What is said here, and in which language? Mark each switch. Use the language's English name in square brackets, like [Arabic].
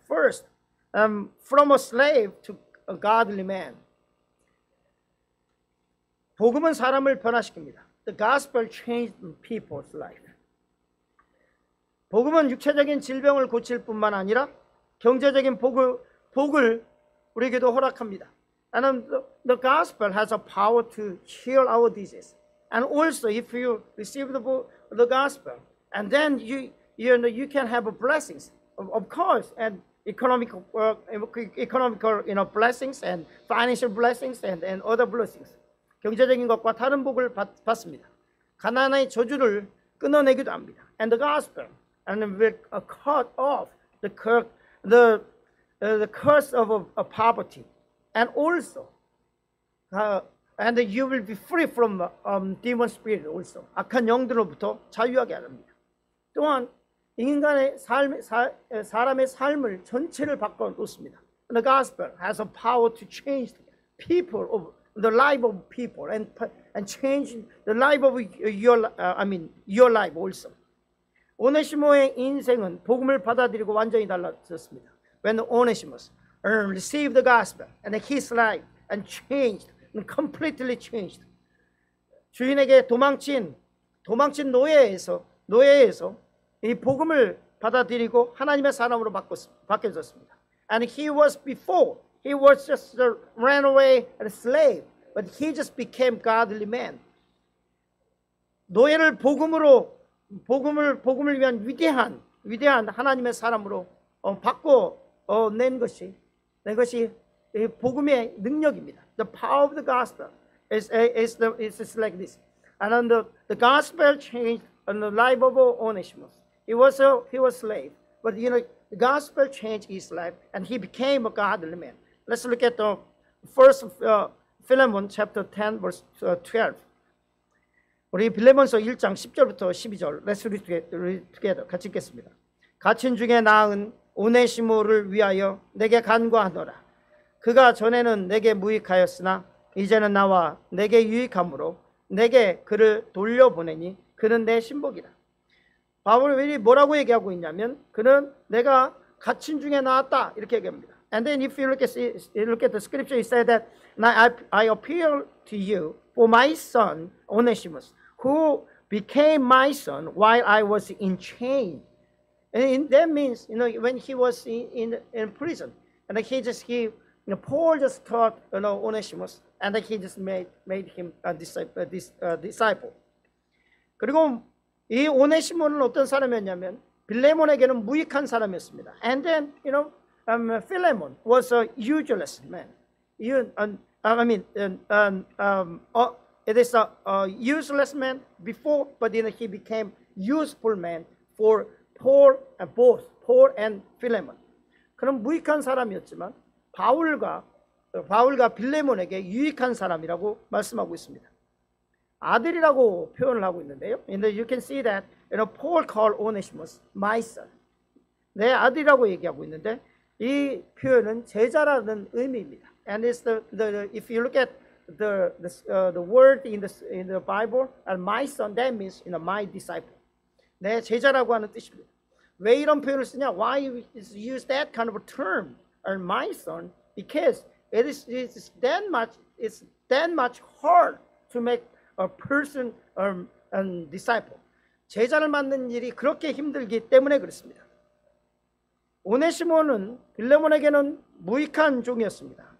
[English] First, from a slave to a godly man. [Korean] 복음은 사람을 변화시킵니다. [English] The gospel changed people's life. [Korean] 복음은 육체적인 질병을 고칠 뿐만 아니라 경제적인 복을 우리에게도 허락합니다. [English] And the gospel has a power to heal our disease. And also, if you receive the gospel, and then you can have blessings, of course, and economical you know, blessings and financial blessings and other blessings. [Korean] 경제적인 것과 다른 복을 받습니다. 가난의 저주를 끊어내기도 합니다. [English] And the gospel. And we cut off the curse of a poverty, and also, and you will be free from demon spirit also. [Korean] 악한 영들로부터 자유하게 합니다. 또한 인간의 삶, 사람의 삶을 전체를 바꿔놓습니다. [English] The gospel has a power to change people of the life of people and change the life of your life also. [Korean] 오네시모의 인생은 복음을 받아들이고 완전히 달라졌습니다. [English] When Onesimus received the gospel and his life and changed and completely changed. [Korean] 주인에게 도망친 노예에서 이 복음을 받아들이고 하나님의 사람으로 바뀌어졌습니다. [English] And he was before he was just a runaway and a slave, but he just became godly man. [Korean] 노예를 복음으로 복음을 위한 위대한 하나님의 사람으로 바꿔낸 것이 내 것이 복음의 능력입니다. [English] The power of the gospel is like this. And the gospel changed the life of Onesimus. He was a slave, but you know, the gospel changed his life, and he became a godly man. Let's look at the First Philemon chapter 10 verse 12. [Korean] 우리 빌레몬서 1장 10절부터 12절. [English] Let's read together. [Korean] 같이 읽겠습니다. 갇힌 중에 나은 오네시모를 위하여 내게 간구하노라. 그가 전에는 내게 무익하였으나 이제는 나와 내게 유익함으로 내게 그를 돌려보내니 그는 내 신복이라. 바울이 뭐라고 얘기하고 있냐면 그는 내가 갇힌 중에 나왔다 이렇게 얘기합니다. [English] And then if you look at, the scripture, he said that I appeal to you for my son Onesimus, who became my son while I was in chain. And that means, you know, when he was in prison, and he just he, you know, Paul just taught, you know, Onesimus, and he just made him a disciple. Disciple. [Korean] 그리고 이 오네시모는 어떤 사람이었냐면 빌레몬에게는 무익한 사람이었습니다. [English] And then, you know, Philemon was a useless man. It is a useless man before, but then he became useful man for Paul and both Paul and Philemon. [Korean] 그럼 무익한 사람이었지만 바울과 빌레몬에게 유익한 사람이라고 말씀하고 있습니다. 아들이라고 표현을 하고 있는데요. [English] And you can see that, you know, Paul called Onesimus my son. [Korean] 내 아들이라고 얘기하고 있는데 이 표현은 제자라는 의미입니다. [English] And it's if you look at the word in the Bible, and my son, that means, you know, my disciple. [Korean] 내 제자라고 하는 뜻입니다. 왜 이런 표현을 쓰냐? [English] Why is use that kind of a term, and my son? Because it's that much hard to make a person and disciple. [Korean] 제자를 만드는 일이 그렇게 힘들기 때문에 그렇습니다. 오네시모는 빌레몬에게는 무익한 종이었습니다.